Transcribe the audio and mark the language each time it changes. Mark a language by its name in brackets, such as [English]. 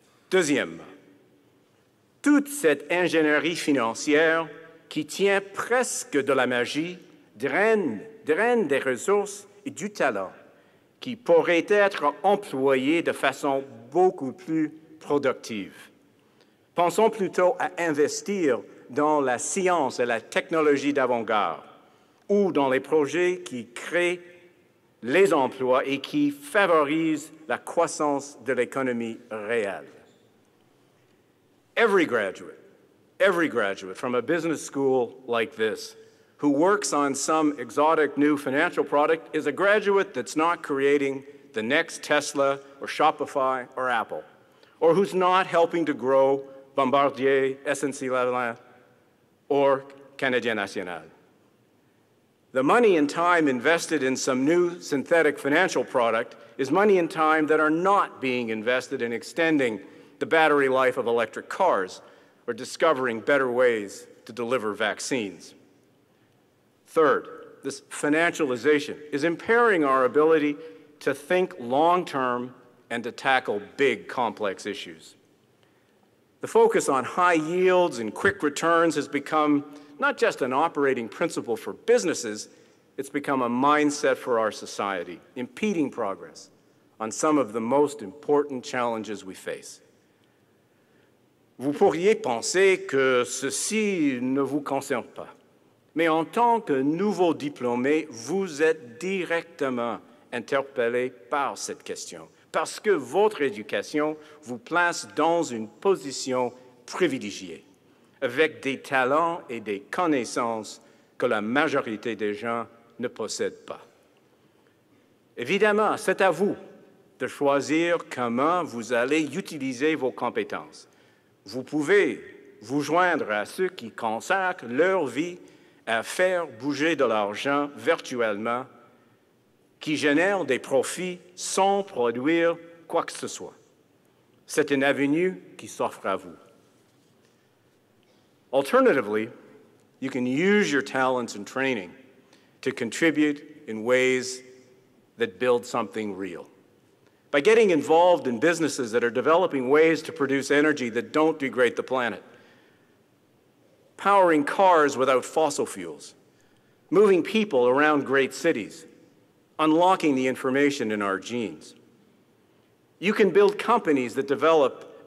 [French] Deuxièmement, toute cette ingénierie financière qui tient presque de la magie draine des ressources et du talent qui pourraient être employés de façon beaucoup plus productive. Pensons plutôt à investir dans la science et la technologie d'avant-garde ou dans les projets qui créent les emplois et qui favorisent la croissance de l'économie réelle. [English] Every graduate from a business school like this who works on some exotic new financial product is a graduate that's not creating the next Tesla or Shopify or Apple, or who's not helping to grow Bombardier, SNC-Lavalin, or Canadien National. The money and time invested in some new synthetic financial product is money and time that are not being invested in extending the battery life of electric cars or discovering better ways to deliver vaccines. Third, this financialization is impairing our ability to think long-term and to tackle big, complex issues. The focus on high yields and quick returns has become not just an operating principle for businesses, it's become a mindset for our society, impeding progress on some of the most important challenges we face. [French] Vous pourriez penser que ceci ne vous concerne pas. Mais en tant que nouveau diplômé, vous êtes directement interpellé par cette question, parce que votre éducation vous place dans une position privilégiée, avec des talents et des connaissances que la majorité des gens ne possèdent pas. Évidemment, c'est à vous de choisir comment vous allez utiliser vos compétences. Vous pouvez vous joindre à ceux qui consacrent leur vie à faire bouger de l'argent virtuellement, qui génère des profits sans produire quoi que ce soit. C'est une avenue qui s'offre à vous. [English] Alternatively, you can use your talents and training to contribute in ways that build something real. By getting involved in businesses that are developing ways to produce energy that don't degrade the planet, powering cars without fossil fuels, moving people around great cities, unlocking the information in our genes. You can build companies that develop